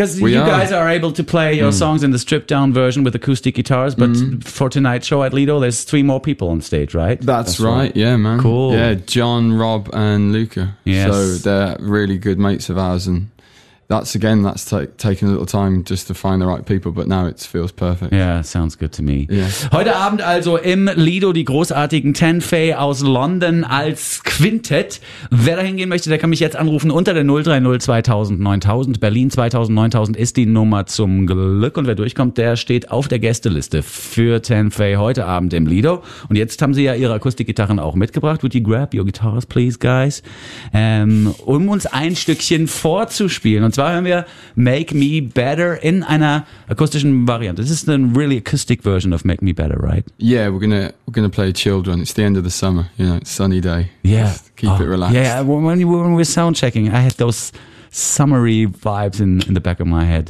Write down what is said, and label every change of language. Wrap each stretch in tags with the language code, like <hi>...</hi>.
<en>Because guys are able to play your songs in the stripped down version with acoustic guitars. But for tonight's show at Lido, there's three more people on stage, right? That's right. Yeah, man. Cool. Yeah, John, Rob, and Luca. Yes. So they're really good mates of ours, and that's taking a little time just to find the right people, but now it feels perfect. Yeah, sounds good to me. Yeah.</en> <de>Heute Abend also im Lido die großartigen 10 Fay aus London als Quintett. Wer da hingehen möchte, der kann mich jetzt anrufen unter der 030 2000 9000. Berlin 2000 9000 ist die Nummer zum Glück. Und wer durchkommt, der steht auf der Gästeliste für 10 Fay heute Abend im Lido. Und jetzt haben sie ja ihre Akustikgitarren auch mitgebracht.</de> <en>Would you grab your guitars, please, guys?</en> <de>Um uns ein Stückchen vorzuspielen. Und zwar hören wir Make Me Better in einer akustischen Variante.</de> <en>This is a really acoustic version of Make Me Better, right? Yeah, we're gonna play Children. It's the end of the summer, you know, it's sunny day. Yeah. Just keep it relaxed. Yeah, when we were sound checking, I had those summery vibes in the back of my head.</en>